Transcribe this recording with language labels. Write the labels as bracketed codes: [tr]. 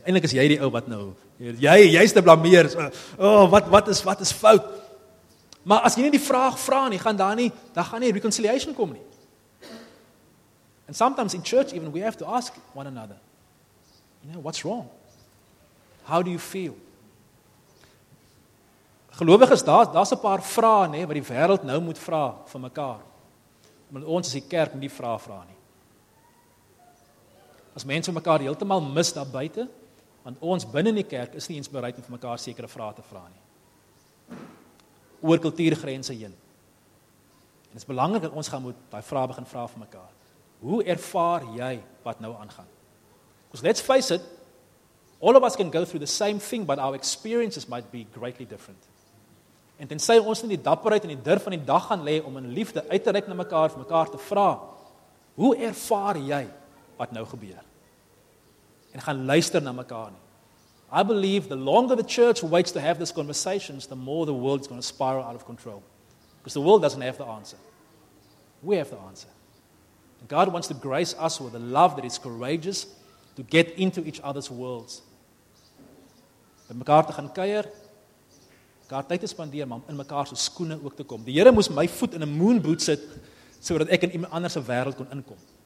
[af] Eindelijk is jy die ou wat nou, jy is te blameer. Oh, wat is fout? Maar as jy nie die vraag vra nie, gaan daar nie reconciliation kom nie. [en] And sometimes in church even, we have to ask one another, you know, what's wrong? How do you feel? [af] Gelowiges, daar's 'n paar vrae, nê, wat die wêreld nou moet vra vir mekaar. Maar ons as die kerk moet nie vrae vra nie. As mense mekaar heeltemal mis daar buite, want ons binne in die kerk is nie eens bereid om vir mekaar sekere vrae te vra nie. Oor kultuurgrense heen. En dit is belangrik dat ons gaan moet daai vrae begin vra vir mekaar. Hoe ervaar jy wat nou aangaan? [en] Because let's face it, all of us can go through the same thing, but our experiences might be greatly different. [af] En tensy ons in die dapperheid en die durf van die dag gaan lê om in liefde uit te reik na mekaar, vir mekaar te vra, hoe ervaar jy wat nou gebeur? En gaan luister na mekaar nie. [en] I believe the longer the church waits to have these conversations, the more the world is going to spiral out of control. Because the world doesn't have the answer. We have the answer. And God wants to grace us with a love that is courageous to get into each other's worlds. [af] By mekaar te gaan kuier, mekaar tyd te spandeer, maar in mekaar se skoene ook te kom. Die Here moes my voet in 'n moonboot sit sodat ek in iemand anders se wêreld kon inkom.